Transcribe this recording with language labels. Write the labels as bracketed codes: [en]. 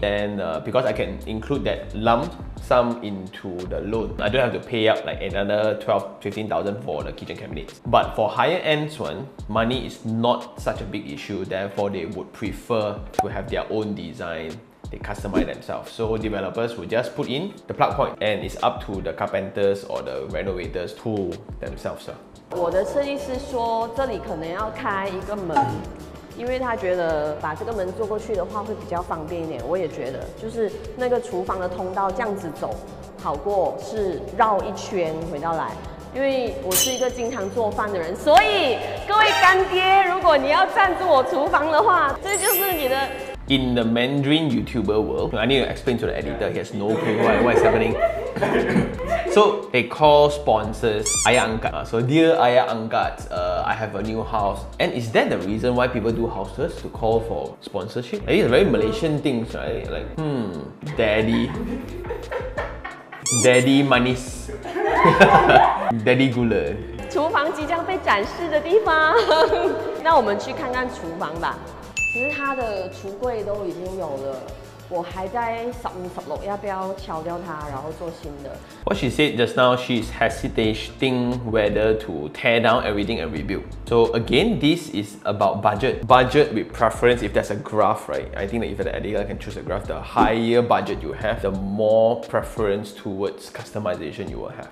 [en] Then because I can include that lump sum into the loan, I don't have to pay up like another 12,000-15,000 for the kitchen cabinets. But for higher ends one, money is not such a big issue. Therefore, they would prefer to have their own design. They customize themselves. So developers would just put in the plug point and it's up to the carpenters or the renovators to themselves. [zh] 我的设计师说这里可能要开一个门， 因为他觉得把这个门做过去的话会比较方便一点，我也觉得，就是那个厨房的通道这样子走，好过是绕一圈回到来。因为我是一个经常做饭的人，所以各位干爹，如果你要赞助我厨房的话，这就是你的。 [en] In the Mandarin YouTuber world, I need to explain to the editor, he has no clue what is happening. So they call sponsors Ayah Angkat. So dear Ayah Angkat, I have a new house. And is that the reason why people do house tours? To call for sponsorship? I think it's very Malaysian things, right? Like, daddy. Daddy manis. Daddy gula. [zh] 厨房即将被展示的地方。那我们去看看厨房吧。 其实它的橱柜都已经有了。我还在15、16要不要敲掉它，然后做新的。 [en] What she said just now, she's hesitating whether to tear down everything and rebuild. So again, this is about budget. Budget with preference. If there's a graph, right? I think that if the editor can choose a graph, the higher budget you have, the more preference towards customization you will have.